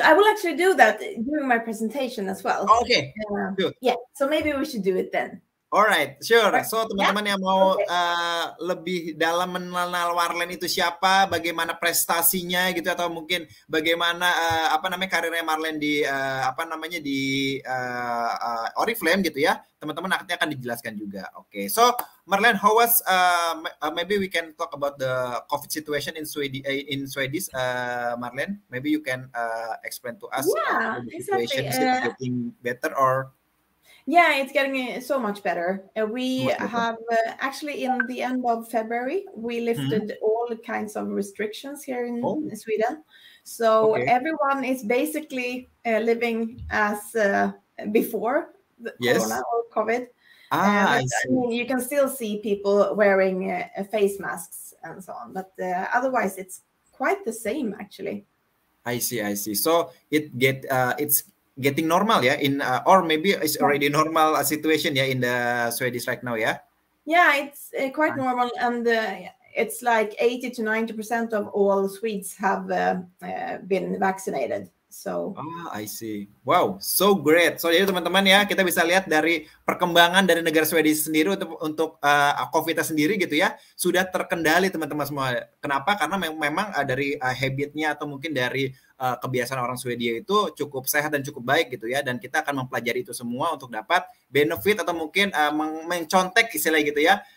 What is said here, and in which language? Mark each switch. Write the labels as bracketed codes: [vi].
[en] I will actually do that during my presentation as well. Okay. Yeah. So maybe we should do it then. Alright, sure. [id] So teman-teman yang mau lebih dalam mengenal Marlene itu siapa, bagaimana prestasinya gitu, atau mungkin bagaimana karirnya Marlene di Oriflame gitu ya, teman-teman nanti akan dijelaskan juga. Oke. [en] Okay. So Marlene, how was maybe we can talk about the COVID situation in Swedish, Marlene. Maybe you can explain to us. Yeah, the situation. Exactly. Is it getting better or? Yeah, it's getting so much better. We have actually in the end of February, we lifted all kinds of restrictions here in Sweden. So everyone is basically living as before the corona or COVID. Ah, I mean, you can still see people wearing face masks and so on. But otherwise, it's quite the same, actually. I see. So it's getting normal ya, or maybe it's already normal situation ya in the Swedish right now ya. Yeah, it's quite normal, and it's like 80-90% of all Swedes have been vaccinated. So. Ah, I see. Wow, so great. [id] So jadi teman-teman ya, kita bisa lihat dari perkembangan dari negara Swedia sendiri untuk COVID-nya sendiri gitu ya, sudah terkendali teman-teman semua. Kenapa? Karena memang dari habitnya atau mungkin dari kebiasaan orang Swedia itu cukup sehat dan cukup baik gitu ya, dan kita akan mempelajari itu semua untuk dapat benefit atau mungkin mencontek istilahnya gitu ya,